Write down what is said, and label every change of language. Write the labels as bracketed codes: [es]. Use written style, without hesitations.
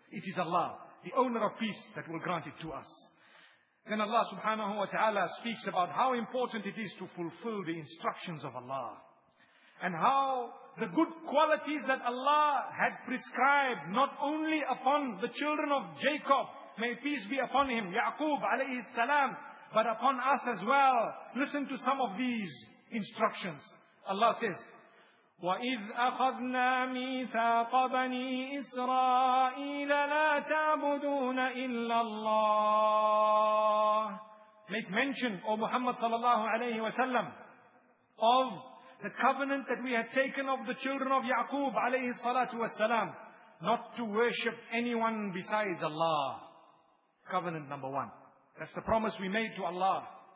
[en] It is Allah, the owner of peace, that will grant it to us. Then Allah subhanahu wa ta'ala speaks about how important it is to fulfill the instructions of Allah. And how the good qualities that Allah had prescribed, not only upon the children of Jacob, may peace be upon him, Ya'qub alayhi salam, but upon us as well. Listen to some of these instructions. Allah says, [ar] وَإِذْ أَخَذْنَا مِيثَاقَ بَنِي إِسْرَائِيلَ لَا تَعْبُدُونَ إِلَّا اللَّهِ. [en] Make mention, O Muhammad sallallahu alayhi wa sallam, of the covenant that we had taken of the children of Ya'qub alayhi salatu wa salam, not to worship anyone besides Allah. Covenant number one. That's the promise we made to Allah.